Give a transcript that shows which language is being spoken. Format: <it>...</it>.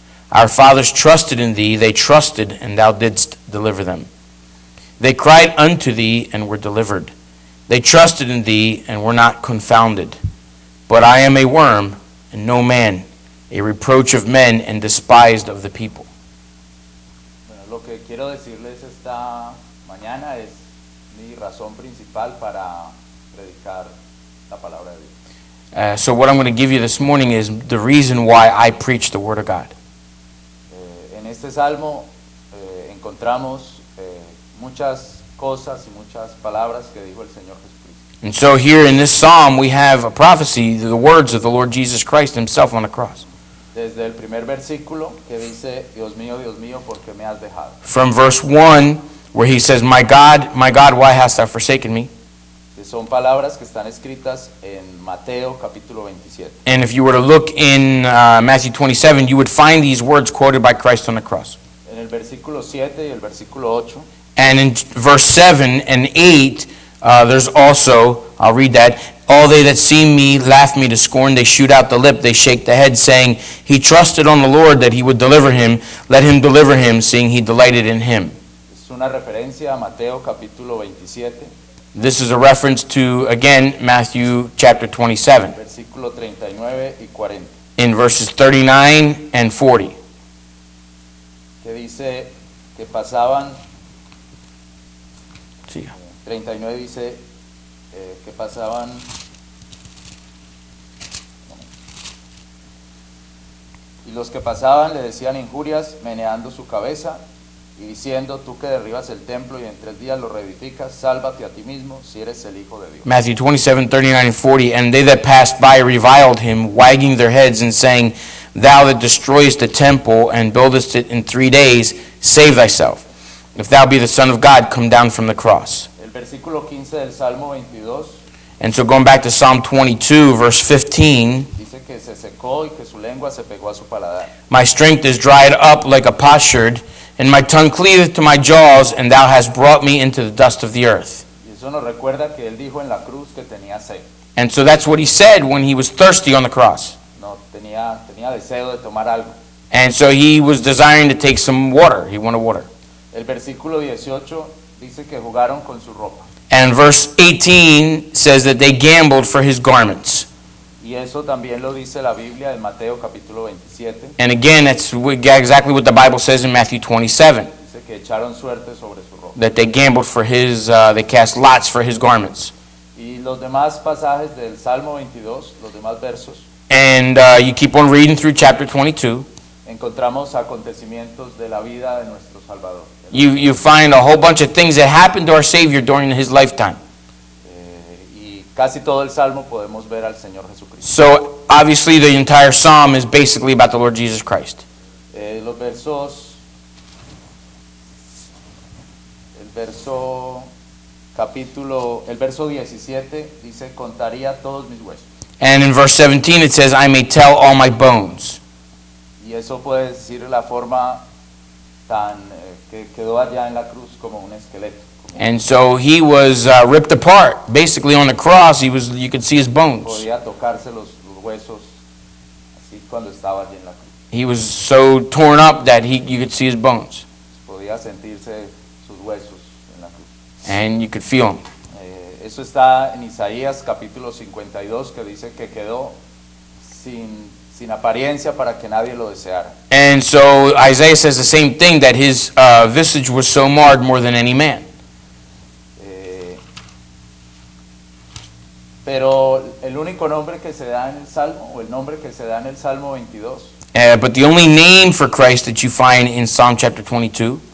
<en>Our fathers trusted in thee, they trusted, and thou didst deliver them. They cried unto thee, and were delivered. They trusted in thee, and were not confounded. But I am a worm, and no man, a reproach of men, and despised of the people.</en> <es>Bueno, lo que quiero decirles esta mañana es mi razón principal para predicar la palabra de Dios.</es> <en>So what I'm going to give you this morning is the reason why I preach the Word of God.</en> <es>En este salmo encontramos muchas cosas y muchas palabras que dijo el Señor Jesucristo.</es> <en>And so here in this psalm we have a prophecy, the words of the Lord Jesus Christ himself on the cross.</en> <es>Desde el primer versículo que dice, Dios mío, ¿por qué me has dejado?</es> <en>From verse 1 where he says, my God, why hast thou forsaken me?</en> <es>Son palabras que están escritas en Mateo capítulo 27.</es> <en>And if you were to look in Matthew 27, you would find these words quoted by Christ on the cross.</en> <es>En el versículo 7 y el versículo 8.</es> <en>And in verse 7 and 8, there's also, I'll read that, all they that see me laugh me to scorn, they shoot out the lip, they shake the head, saying, he trusted on the Lord that he would deliver him, let him deliver him, seeing he delighted in him.</en> <es>Es una referencia a Mateo capítulo 27.</es> <en>This is a reference to, again, Matthew chapter 27.</en> <es>Versículo 39 y 40.</es> <en>In verses 39 and 40.</en> <es>Que dice que pasaban... Sí. 39 dice que pasaban... Y los que pasaban le decían injurias, meneando su cabeza y diciendo, tú que derribas el templo y en tres días lo reedificas, sálvate a ti mismo si eres el Hijo de Dios.</es> <en>Matthew 27, 39 and 40, and they that passed by reviled him, wagging their heads and saying, thou that destroyest the temple and buildest it in three days, save thyself. If thou be the Son of God, come down from the cross.</en> <es>El versículo 15 del Salmo 22.</es> <en>And so going back to Psalm 22, verse 15.</en> <es>Que se secó y que su lengua se pegó a su paladar.</es> <en>My strength is dried up like a potsherd, and my tongue cleaveth to my jaws, and thou hast brought me into the dust of the earth.</en> <es>Y eso nos recuerda que él dijo en la cruz que tenía sed.</es> <en>And so that's what he said when he was thirsty on the cross.</en> <es>No, tenía deseo de tomar algo.</es> <en>And so he was desiring to take some water. He wanted water.</en> <es>El versículo 18 dice que jugaron con su ropa.</es> <en>And verse 18 says that they gambled for his garments.</en> <es>Y eso también lo dice la Biblia en Mateo capítulo 27.</es> <en>And again, that's exactly what the Bible says in Matthew 27.</en> <es>Dice que echaron suerte sobre su ropa.</es> <en>That they gambled for his, they cast lots for his garments.</en> <es>Y los demás pasajes del Salmo 22, los demás versos.</es> <en>And you keep on reading through chapter 22.</en> <es>Encontramos acontecimientos de la vida de nuestro Salvador.</es> <en>You find a whole bunch of things that happened to our Savior during his lifetime.</en> <es>Casi todo el Salmo podemos ver al Señor Jesucristo.</es> <en>So, obviously, the entire Psalm is basically about the Lord Jesus Christ.</en> <es>Los versos... El verso 17 dice, contaría todos mis huesos.</es> <en>And in verse 17 it says, I may tell all my bones.</en> <es>Y eso puede decir la forma tan... que quedó allá en la cruz como un esqueleto.</es> <en>And so he was ripped apart. Basically on the cross, he was, you could see his bones.</en> <es>Podía tocarse los huesos, así, cuando estaba allí en la cruz.</es> <en>He was so torn up that you could see his bones.</en> <es>Podía sentirse sus huesos en la cruz.</es> <en>And you could feel them.</en> <es>Eso está en Isaías capítulo 52, que dice que quedó sin apariencia para que nadie lo deseara.</es> <en>And so Isaiah says the same thing, that his visage was so marred more than any man.</en> <es>Pero el único nombre que se da en el Salmo, o el nombre que se da en el Salmo 22.</es> <en>But the only name for Christ that you find in Psalm chapter 22.</en>